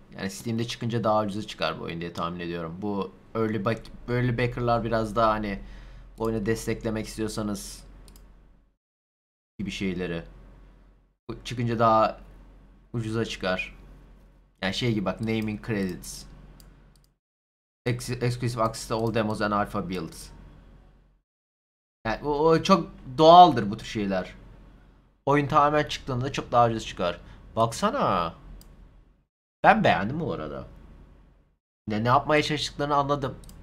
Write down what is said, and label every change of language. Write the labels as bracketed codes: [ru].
[tr] Yani Steam'de çıkınca daha ucuza çıkar bu oyun diye tahmin ediyorum. Bu early backer'lar biraz daha hani oyunu desteklemek istiyorsanız gibi şeyleri. Bu çıkınca daha ucuza çıkar. Yani şey gibi bak, [en] naming credits. Exclusive access to all demos and alpha builds. [tr] Yani o çok doğaldır bu tür şeyler. Oyun tamamen çıktığında çok daha ucuza çıkar. Baksana. Ben beğendim bu arada. Ne yapmaya çalıştıklarını anladım.